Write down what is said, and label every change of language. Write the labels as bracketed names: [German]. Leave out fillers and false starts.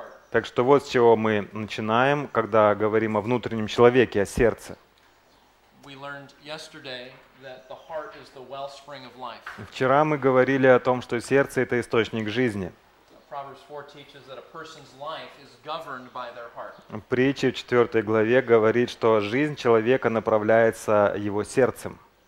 [Russian] Так что вот с чего мы начинаем, когда говорим о внутреннем человеке, о сердце. Вчера мы говорили о том, что сердце — это источник жизни. [English] Proverbs 4 teaches that a person's life is governed by their heart. [Russian] Притча в 4 главе говорит, что жизнь человека направляется его сердцем.